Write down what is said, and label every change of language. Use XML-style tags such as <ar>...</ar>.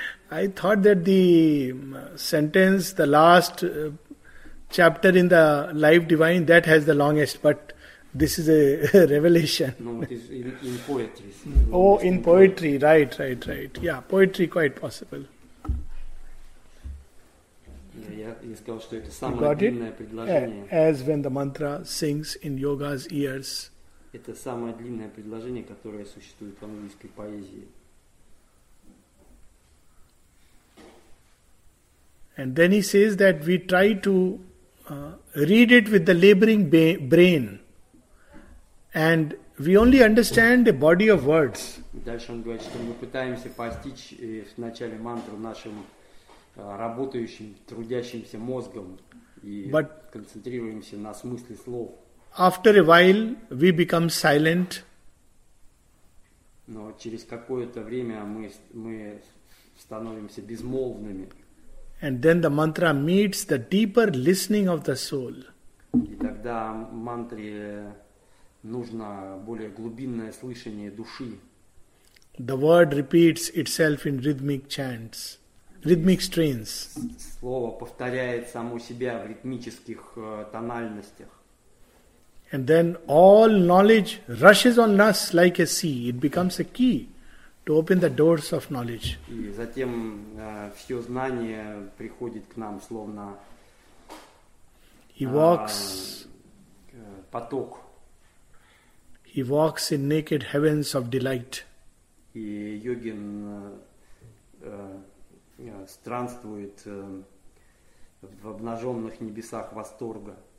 <en>I thought that the sentence, the last chapter in the Life Divine, that has the longest, but this is a revelation. No, it is in poetry. Oh, in poetry, right. Yeah, poetry quite possible. You got it? As when the mantra sings in yoga's ears.</en> <ru>Это самое длинное предложение, которое существует в английской поэзии.</ru> <en>And then he says that we try to read it with the laboring brain. And we only understand a body of words.</en> <ru>Дальше он говорит, что мы пытаемся постичь в начале мантру нашим работающим, трудящимся мозгом и концентрируемся на смысле слов.</ru> <en>After a while, we become silent.</en> <ru>Но через какое-то время мы становимся безмолвными.</ru> <en>And then the mantra meets the deeper listening of the soul.</en> <ru>И тогда мантре нужно более глубинное слышание души.</ru> <en>The word repeats itself in rhythmic chants, rhythmic strains.</en> <ru>Слово повторяет само себя в ритмических тональностях.</ru> <en>And then all knowledge rushes on us like a sea. It becomes a key to open the doors of knowledge.</en> <ru>И затем все знание приходит к нам словно</ru> <en>He walks</en> <ru>поток.</ru> <en>He walks in naked heavens of delight.</en> <ru>И йогин странствует в обнаженных небесах восторга.</ru>